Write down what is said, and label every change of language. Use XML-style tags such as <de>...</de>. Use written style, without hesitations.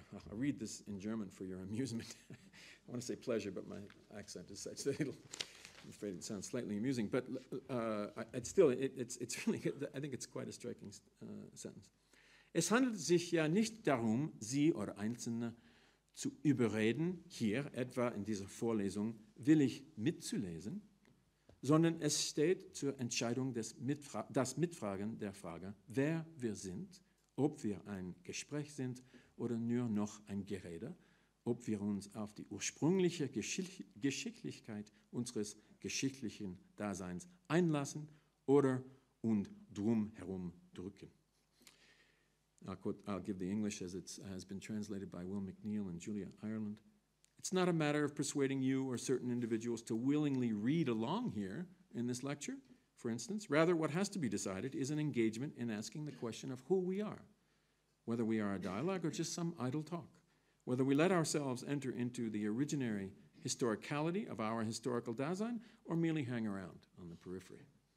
<en>I'll read this in German for your amusement. I want to say pleasure, but my accent is such that I'm afraid it sounds slightly amusing. But I think it's quite a striking sentence.</en> <de>Es handelt sich ja nicht darum, Sie oder Einzelne zu überreden, hier etwa in dieser Vorlesung willig mitzulesen, sondern es steht zur Entscheidung des das Mitfragen der Frage, wer wir sind, ob wir ein Gespräch sind oder nur noch ein Gerede, ob wir uns auf die ursprüngliche Geschichtlichkeit unseres geschichtlichen Daseins einlassen oder und drumherum drücken.</de> <en>I'll give the English as it has been translated by Will McNeil and Julia Ireland. It's not a matter of persuading you or certain individuals to willingly read along here in this lecture, for instance. Rather, what has to be decided is an engagement in asking the question of who we are, whether we are a dialogue or just some idle talk, whether we let ourselves enter into the originary historicality of our historical Dasein or merely hang around on the periphery.</en>